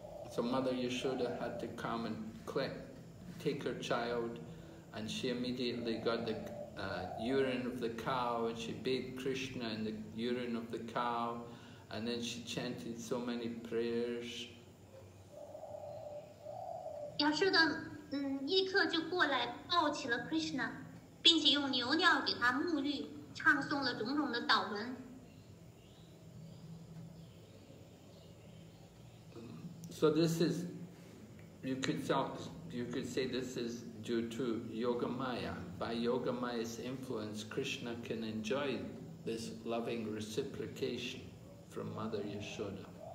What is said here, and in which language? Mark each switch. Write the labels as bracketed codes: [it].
[en] So Mother Yashoda had to come and take her child, and she immediately got the urine of the cow, and she bathed Krishna in the urine of the cow, and then she chanted so many prayers. [zh] 小舍的立刻就过来抱起了 Krishna， 并且用牛尿给他沐浴，唱诵了种种的祷文。 [en] So this is, you could say this is due to Yoga Maya. By Yoga Maya's influence, Krishna can enjoy this loving reciprocation from Mother Yashoda.